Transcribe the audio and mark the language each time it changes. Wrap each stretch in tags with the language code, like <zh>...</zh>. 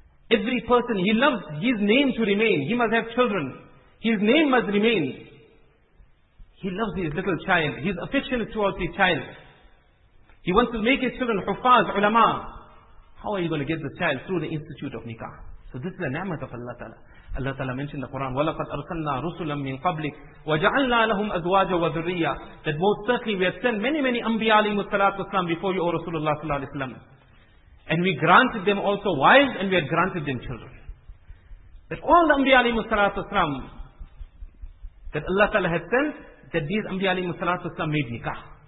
<en>Every person, he loves his name to remain. He must have children. His name must remain. He loves his little child. His affection is towards his child. He wants to make his children huffaz, ulama. How are you going to get the child? Through the institute of nikah. So this is the ni'mat of Allah Ta'ala. Allah Ta'ala mentioned the Quran,</en> <ar>وَلَقَدْ أَرْسَلْنَا رُسُلًا مِّن قَبْلِكَ وَجَعَلْنَا لَهُمْ أَزْوَاجًا وَذُرِّيَّةً.</ar> <en>That most certainly we have sent many, many anbiya alayhimu salatu wasalam before you, O Rasulullah Sallallahu Alaihi Wasallam. And we granted them also wives and we had granted them children. That all the anbiya alayhimu salatu wasalam that Allah Ta'ala has sent, that these anbiya alayhimu salatu wasalam made nikah.</en>